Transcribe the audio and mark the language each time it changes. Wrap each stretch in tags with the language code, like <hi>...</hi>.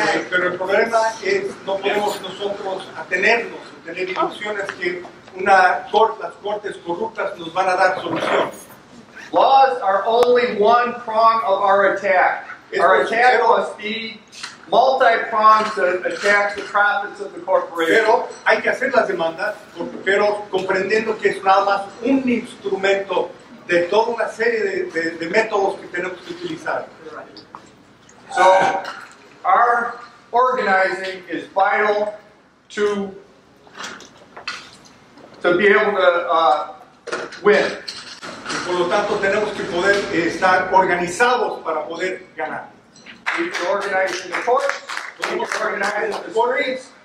<es>Pero el problema es no podemos nosotros atenernos a tener ilusiones que las cortes corruptas nos van a dar solución.</es> <en>Laws are only one prong of our attack. Our attack must be multi-pronged to attack the profits of the corporation.</en> <es>Pero hay que hacer las demandas, pero comprendiendo que es nada más un instrumento de toda una serie de métodos que tenemos que utilizar.</es> <en>So our organizing is vital to be able to win.</en> <es>Y por lo tanto tenemos que poder estar organizados para poder ganar.</es> <en>We need to organize in the courts, we need to organize in the streets,</en>